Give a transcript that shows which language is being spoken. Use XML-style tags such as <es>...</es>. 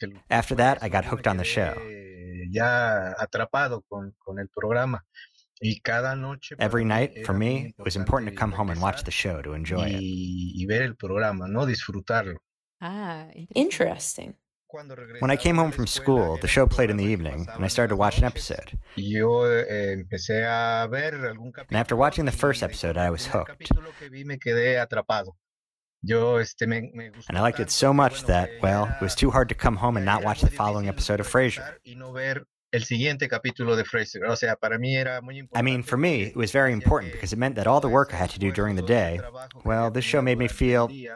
<en>After that, I got hooked on the show.</en> <es>Ya atrapado con el programa. Y cada noche,</es> <en>every night, for me, it was important to come home and watch the show to enjoy</en> <es>it. Y ver el programa, ¿no? Disfrutarlo.</es> <en>Interesting. When I came home from school, the show played in the evening, and I started to watch an episode.</en> <es>Yo empecé a ver algún capítulo,</es> <en>and after watching the first episode, I was hooked. And I liked it so much that, well, it was too hard to come home and not watch the following episode of Frasier.</en> <es>El siguiente capítulo de Frasier. O sea, para mí era muy importante.</es> <en>I mean, for me, it was very important because it meant that all the work I had to do during the day, well, this show made me feel...</en>